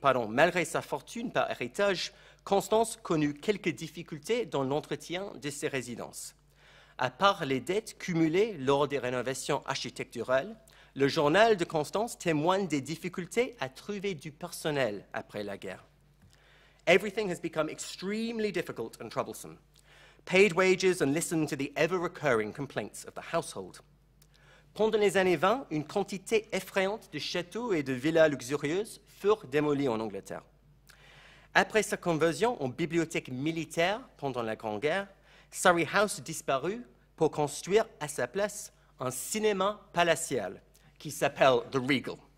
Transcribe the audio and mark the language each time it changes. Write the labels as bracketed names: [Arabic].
[French] Malgré sa fortune par héritage, Constance connut quelques difficultés dans l'entretien de ses résidences. À part les dettes cumulées lors des rénovations architecturales, le journal de Constance témoigne des difficultés à trouver du personnel après la guerre. [English] Everything has become extremely difficult and troublesome. Paid wages and listen to the ever-recurring complaints of the household. [French] Pendant les années 20, une quantité effrayante de châteaux et de villas luxurieuses furent démolies en Angleterre. Après sa conversion en bibliothèque militaire pendant la Grande Guerre, Surrey House disparut pour construire à sa place un cinéma palatial qui s'appelle The Regal.